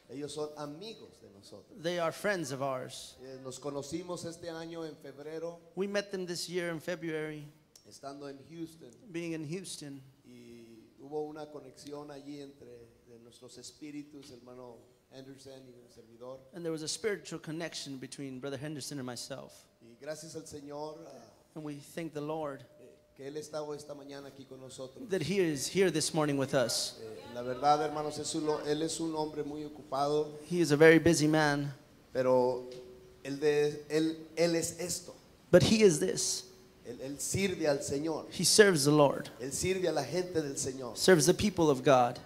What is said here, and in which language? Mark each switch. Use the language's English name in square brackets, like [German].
[Spanish] Ellos son amigos de nosotros. [English] They are friends of ours. [Spanish] Nos conocimos este año en febrero. [English] We met them this year in February. [Spanish] Estando en Houston. [English] Being in Houston. [Spanish] Y hubo una conexión allí entre nuestros espíritus, hermano Henderson y el servidor. [English] And there was a spiritual connection between Brother Henderson and myself. [Spanish] Y gracias al Señor. [English] And we thank the Lord. [Spanish] Que él estaba esta mañana aquí con nosotros. [English] That he is here this morning with us. [Spanish] La verdad, hermanos, él es un hombre muy ocupado. [English] He is a very busy man. [Spanish] Pero él es esto. [English] But he is this. [Spanish] Él sirve al Señor. [English] He serves the Lord. [Spanish] Él sirve a la gente del Señor. [English] Serves the people of God.